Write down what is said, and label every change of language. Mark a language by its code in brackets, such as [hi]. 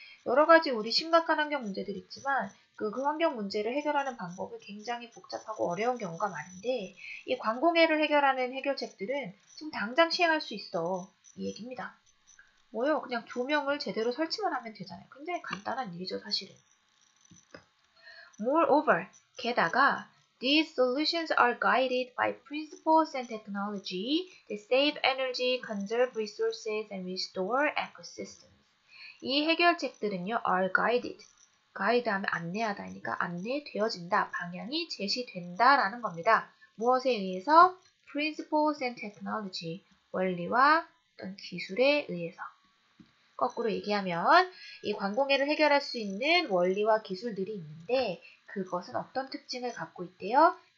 [ko] 여러 가지 우리 심각한 환경 문제들 있지만 그 환경 문제를 해결하는 방법이 굉장히 복잡하고 어려운 경우가 많은데 이 관공해를 해결하는 해결책들은 지금 당장 시행할 수 있어. 이 얘기입니다. 뭐요? 그냥 조명을 제대로 설치만 하면 되잖아요. 굉장히 간단한 일이죠, 사실은. [en] Moreover, [ko] 게다가 [en] These solutions are guided by principles and technology that save energy, conserve resources, and restore ecosystems. [ko] 이 해결책들은요, [en] are guided. [ko] 가이드 하면 안내하다니까, 안내되어진다, 방향이 제시된다라는 겁니다. 무엇에 의해서? [en] Principles and technology. [ko] 원리와 어떤 기술에 의해서. 거꾸로 얘기하면, 이 관공해를 해결할 수 있는 원리와 기술들이 있는데, 그것은 어떤 특징을 갖고 있대요?